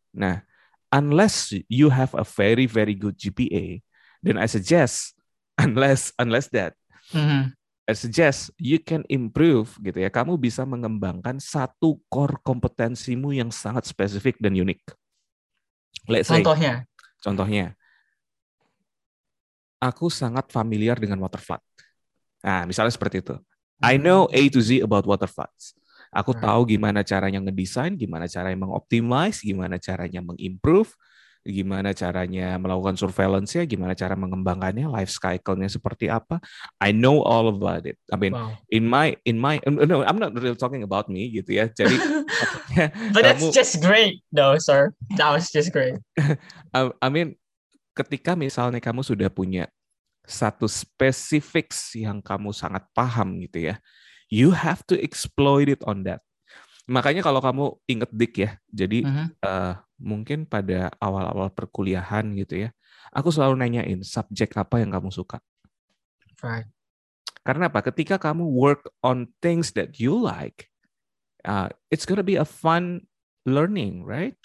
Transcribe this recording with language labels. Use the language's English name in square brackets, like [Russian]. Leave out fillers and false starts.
[English] Nah, unless you have a very very good GPA, then I suggest unless that, I suggest you can improve gitu ya. [Indonesian] Kamu bisa mengembangkan satu core kompetensimu yang sangat spesifik dan unik. [English] Let's say, [Indonesian] contohnya. Aku sangat familiar dengan water flood. Nah, misalnya seperti itu. [English] I know A to Z about water floods. [Indonesian] Aku tahu gimana caranya ngedesain, gimana caranya mengoptimize, gimana caranya mengimprove, gimana caranya melakukan surveillance-nya, gimana cara mengembangkannya, life cycle-nya seperti apa. [English] I know all about it. I mean, wow. No, I'm not really talking about me, gitu ya. [Indonesian] Jadi, [English] but that's just great, though, sir. That was just great. [Indonesian] I mean, ketika misalnya kamu sudah punya satu specifics yang kamu sangat paham gitu ya, you have to exploit it on that. Makanya kalau kamu inget Dik ya, jadi mungkin pada awal-awal perkuliahan gitu ya, aku selalu nanyain subjek apa yang kamu suka. [English] Right. [Indonesian] Karena apa? [English] Ketika kamu work on things that you like, it's gonna be a fun learning, right?